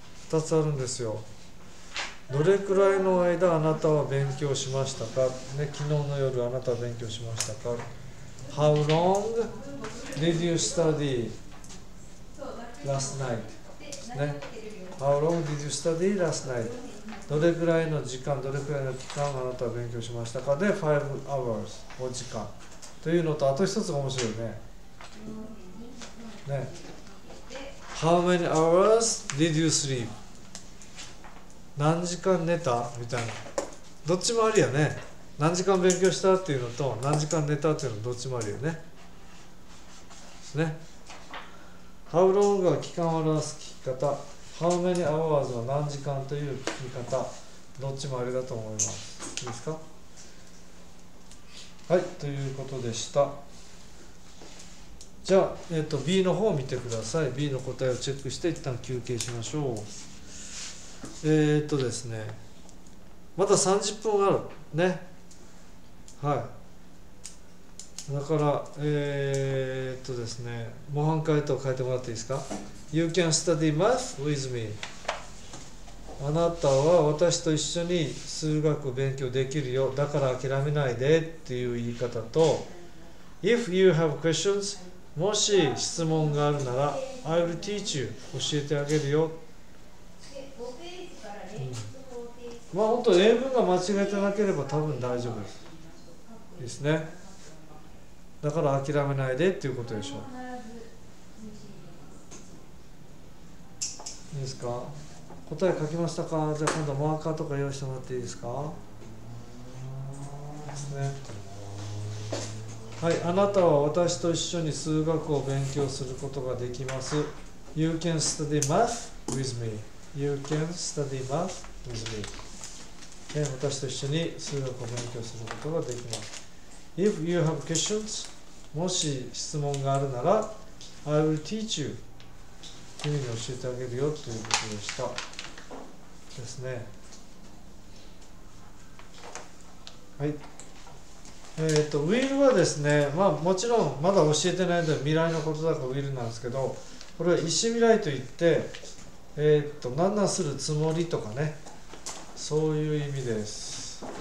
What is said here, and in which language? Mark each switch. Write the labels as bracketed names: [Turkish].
[Japanese] 2つあるんですよ。どれくらいの間あなたは勉強しましたか、ね、昨日の夜あなたは勉強しましたか。 [English] How long did you study last night?、ね、How long did you study last night? [Japanese] どれくらいの時間、どれくらいの期間あなたは勉強しましたか。で、 [English] 5 hours [Japanese] お時間というのと、あと一つが面白いね。 [English] ね、How many hours did you sleep? [Japanese] 何時間寝たみたいな。どっちもあるよね。何時間勉強したっていうのと、何時間寝たっていうのどっちもあるよね。ですね。 [English] How long [Japanese] が期間を表す聞き方。 [English] How many hours [Japanese] は何時間という聞き方。どっちもあれだと思います。いいですか。はい、ということでした。じゃあ、B の方を見てください。 B の答えをチェックして一旦休憩しましょう。ですね、まだ30分あるね。はい、だからですね、模範解答を書いてもらっていいですか。 [English] You can study math with me. [Japanese] あなたは私と一緒に数学を勉強できるよ、だから諦めないでっていう言い方と、 [English] If you have questions [Japanese] もし質問があるなら、 [English] I will teach you、 [Japanese] 教えてあげるよ。うん、まあ本当英文が間違えてなければ多分大丈夫です。ですね。だから諦めないでっていうことでしょう。いいですか。答え書きましたか。じゃあ今度マーカーとか用意してもらっていいですか。ですね。はい、あなたは私と一緒に数学を勉強することができます。 [English] You can study math with me. You can study math with me.、 [Japanese] ね、私と一緒に数学を勉強することができます。 [English] If you have questions, [Japanese] もし質問があるなら、 [English] I will teach you. [Japanese] 君に教えてあげるよということでした。ですね。はい。will はですね、まあもちろんまだ教えてないので未来のことだから will なんですけど、これは意思未来といって、何々するつもりとかね、そういう意味です。